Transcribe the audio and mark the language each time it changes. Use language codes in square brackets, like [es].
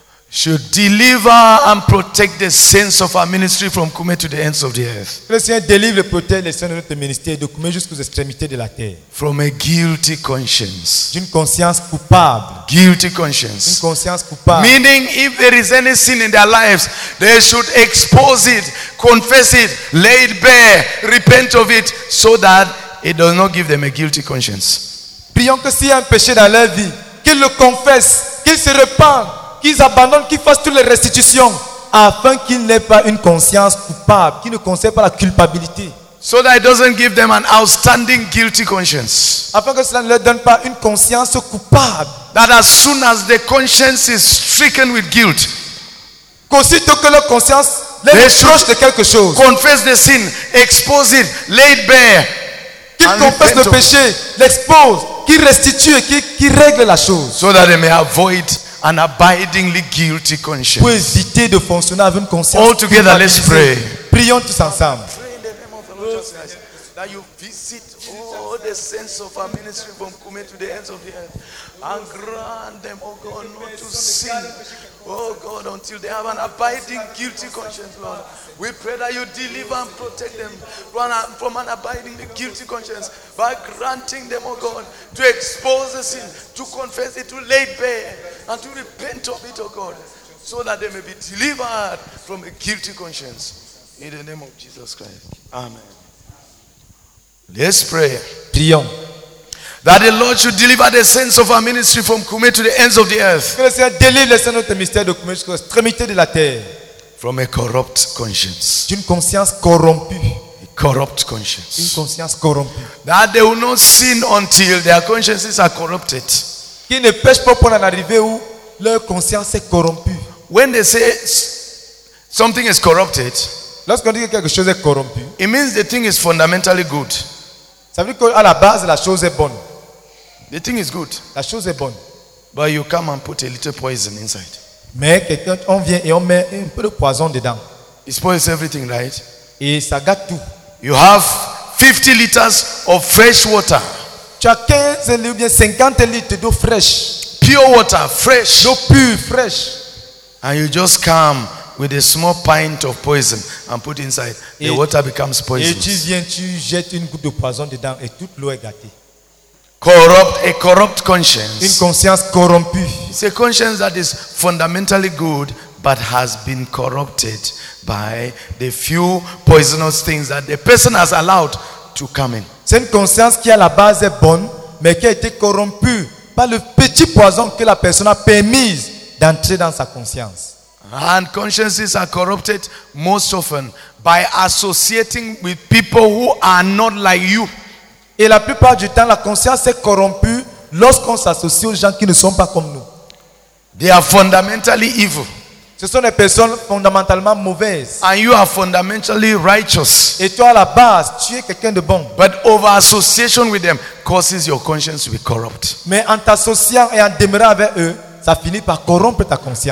[en] should deliver and protect the saints of our ministry from Kume to the ends of the earth. [fr] Que le Seigneur délivre et protège les saints de notre ministère de Kume jusqu'aux extrémités de la terre. [en] From a guilty conscience. [fr] D'une conscience coupable. [en] Guilty conscience. [fr] Une conscience coupable. [en] Meaning, if there is any sin in their lives, they should expose it, confess it, lay it bare, repent of it, so that it does not give them a guilty conscience. [fr] Prions que s'il y a un péché dans leur vie, qu'ils le confessent, qu'ils se repentent, qu'ils abandonnent, qu'ils fassent toutes les restitutions afin qu'ils n'aient pas une conscience coupable, qu'ils ne conservent pas la culpabilité. [en] So that it doesn't give them an outstanding guilty conscience. [fr] Afin que cela ne leur donne pas une conscience coupable. [en] That as soon as their conscience is stricken with guilt, [fr] qu'aussitôt que leur conscience les reproche de quelque chose, [en] confess the sin, expose it, lay it bare, [fr] qu'ils confessent le péché, l'expose, qu'ils restituent et qu'ils règlent la chose. [en] So that they may avoid an abidingly guilty conscience. [fr] Pour éviter de fonctionner avec une conscience. [en] All together, let's pray. [fr] Prions tous ensemble. [en] Pray in the name of the Lord Jesus Christ, that you visit all the saints of our ministry from Kume to the ends of the earth, and grant them, oh God, not to sin, oh God, until they have an abiding guilty conscience, Lord. We pray that you deliver and protect them from an abiding guilty conscience by granting them, oh God, to expose the sin, to confess it, to lay it bare, and to repent of it, oh God, so that they may be delivered from a guilty conscience. In the name of Jesus Christ. Amen. Let's pray. [fr] Prions. [en] That the Lord should deliver the saints of our ministry from Kumé to the ends of the earth. [fr] Que le Seigneur délivre les saints de notre ministère de Kumé jusqu'aux extrémités de la terre. [en] From a corrupt conscience. [fr] D'une conscience corrompue. [en] Corrupt conscience. [fr] Une conscience corrompue. [en] That they will not sin until their consciences are corrupted. [fr] Qui ne pêche pas pour en arriver où leur conscience est corrompue. [en] When they say something is corrupted, [fr] lorsqu'on dit que quelque chose est corrompu, [en] it means the thing is fundamentally good. [fr] Ça veut dire qu'à la base la chose est bonne. [en] The thing is good. [fr] La chose est bonne. [en] But you come and put a little poison inside. [fr] Mais quelqu'un on vient et on met un peu de poison dedans. [en] It spoils everything, right? [fr] Et ça gâte tout. [en] You have 50 liters of fresh water. [fr] Tu as 15 ou bien 50 litres d'eau fraîche. [en] Pure water, fresh. [fr] D'eau pure, fraîche. [en] And you just come with a small pint of poison and put inside. [fr] Et [en] the water becomes poisonous. [fr] Et tu viens, tu jettes une goutte de poison dedans et toute l'eau est gâtée. [en] Corrupt, a corrupt conscience. [fr] Une conscience corrompue. [en] It's a conscience that is fundamentally good but has been corrupted by the few poisonous things that the person has allowed to come in. [fr] C'est une conscience qui à la base est bonne mais qui a été corrompue par le petit poison que la personne a permis d'entrer dans sa conscience. [en] And consciences are corrupted most often by associating with people who are not like you. [fr] Et la plupart du temps, la conscience est corrompue lorsqu'on s'associe aux gens qui ne sont pas comme nous. [en] They are fundamentally evil. [fr] Ce sont des personnes fondamentalement mauvaises. [en] And you are fundamentally righteous. [fr] Et toi, à la base, tu es quelqu'un de bon. [en] But over association with them causes your conscience to be corrupt. [fr] Mais en t'associant et en demeurant avec eux, ça finit par corrompre ta conscience.